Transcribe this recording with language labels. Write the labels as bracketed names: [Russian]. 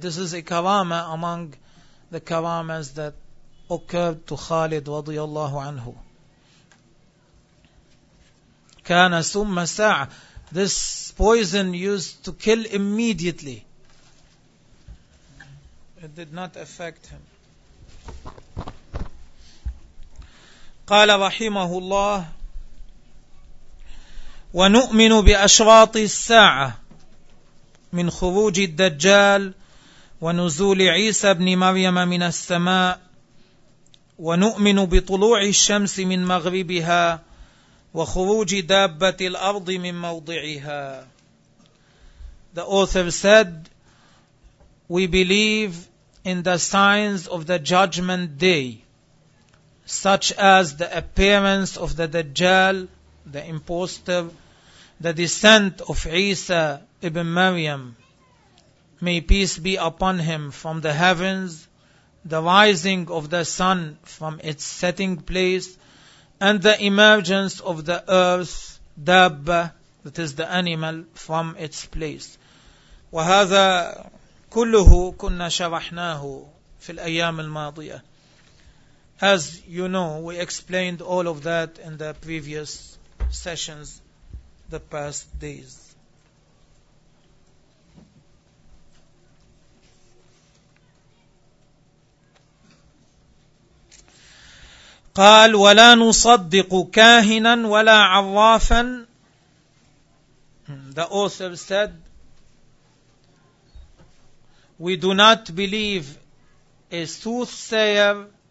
[English] This is a karama among the karamas that occurred to خالد [Arabic] رضي الله عنه. كان ثم ساعة. [English] This poison used to kill immediately, it did not affect him. [Arabic] قال رحمه الله ونؤمن بأشراط الساعة من خروج الدجال ونزول عيسى بن مريم من السماء ونؤمن بطلوع الشمس من مغربها وخروج دابة الأرض من موضعها. [English] The author said, we believe in the signs of the judgment day, such as the appearance of the Dajjal, the imposter, the descent of Isa ibn Maryam, may peace be upon him, from the heavens, the rising of the sun from its setting place, and the emergence of the earth, Dabba, that is the animal, from its place. [Arabic] وهذا كله كنا شرحناه في الأيام الماضية. [English] As you know, we explained all of that in the previous sessions, the past days. [Arabic] قال ولا نصدق كاهنا ولا عرافا. [English] The author said, we do not believe a soothsayer,